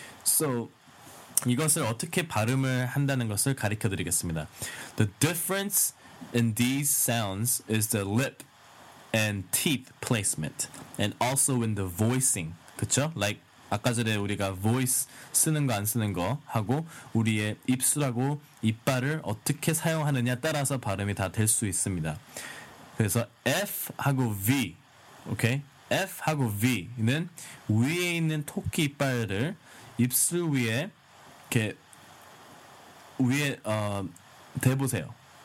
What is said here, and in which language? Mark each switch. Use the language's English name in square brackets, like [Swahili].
[Korean] So 이것을 어떻게 발음을 한다는 것을 가르쳐 드리겠습니다. [English] The difference in these sounds is the lip and teeth placement, and also in the voicing, [Korean] 그쵸? Like 아까 전에 우리가 voice 쓰는 거 안 쓰는 거 하고 우리의 입술하고 이빨을 어떻게 사용하느냐 따라서 발음이 다 될 수 있습니다. 그래서 F하고 V, 오케이? F하고 V는 위에 있는 토끼 이빨을 입술 위에 이렇게 위에 대보세요.